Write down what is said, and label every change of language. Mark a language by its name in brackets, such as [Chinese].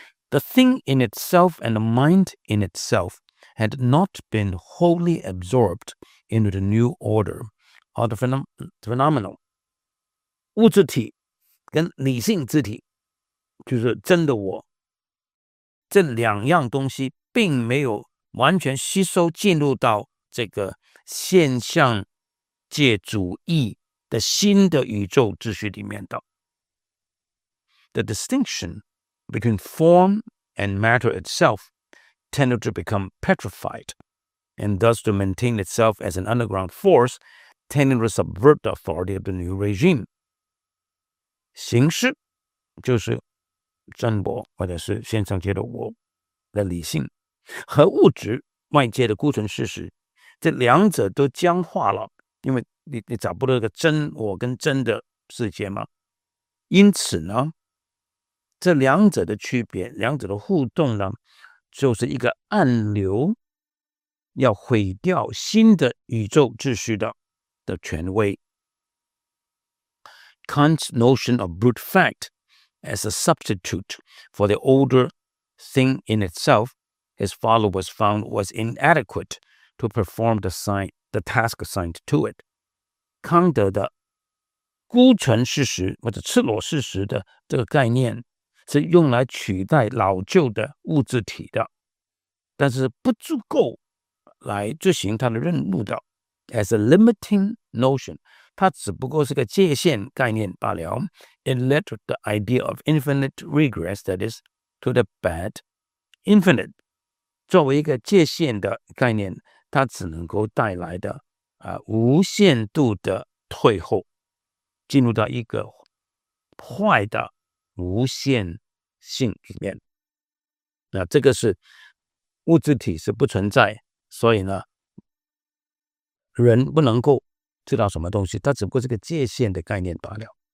[English] The thing in itself and the mind in itself had not been wholly absorbed into the new order of the phenomenal. [Chinese] 物质体跟理性之体，就是真的我，这两样东西并没有完全吸收进入到这个现象界主义的新的宇宙秩序里面的。 [English] The distinction between form and matter itself tended to become petrified and thus to maintain itself as an underground force tending to subvert the authority of the new regime. [Chinese] 形式就是真我或者是现象界的我的理性和物质外界的孤存事实，这两者都僵化了，因为你找不到个真我跟真的世界吗？因此呢，这两者的区别，两者的互动呢，就是一个暗流要毁掉新的宇宙秩序的权威。 [English] Kant's notion of brute fact as a substitute for the older thing in itself, his followers found was inadequate to perform the task assigned to it. [Chinese] 康德的孤存事实或者赤裸事实的这个概念是用来取代老旧的物质体的，但是不足够来执行他的任务的。 [English] As a limiting notion, [Chinese] 它只不过是个界限概念罢了。 [English] It led the idea of infinite regress, that is, to the bad infinite. [Chinese] 作为一个界限的概念，它只能够带来的无限度的退后，进入到一个坏的无限性里面。那这个是物质体是不存在，所以呢，人不能够知道什么东西，它只不过是个界限的概念罢了。